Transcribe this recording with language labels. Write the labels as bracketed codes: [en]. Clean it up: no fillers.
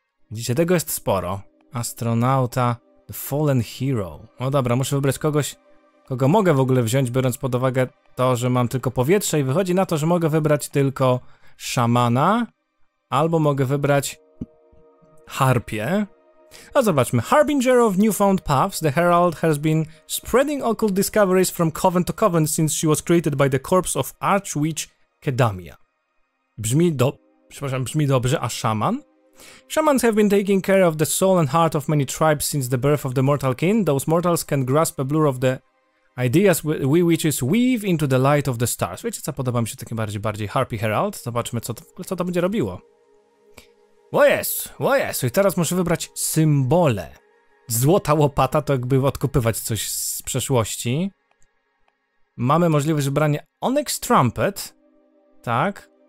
[pl] Widzicie, tego jest sporo. Astronauta, The Fallen Hero. No dobra, muszę wybrać kogoś, kogo mogę w ogóle wziąć, biorąc pod uwagę to, że mam tylko powietrze i wychodzi na to, że mogę wybrać tylko szamana, albo mogę wybrać harpię. A zobaczmy. [en] Harbinger of Newfound Paths, the Herald has been spreading occult discoveries from coven to coven since she was created by the corpse of Archwitch Kedamia. [pl] Brzmi dobrze, a szaman? [en] Shamans have been taking care of the soul and heart of many tribes since the birth of the mortal kin. Those mortals can grasp a blur of the ideas we witches weave into the light of the stars. [pl] Wiecie co, podoba mi się taki bardziej Harpy Herald. Zobaczmy, co to będzie robiło. Bo jest. I teraz muszę wybrać symbole. Złota łopata to jakby odkupywać coś z przeszłości. Mamy możliwość wybrania Onyx Trumpet. Tak.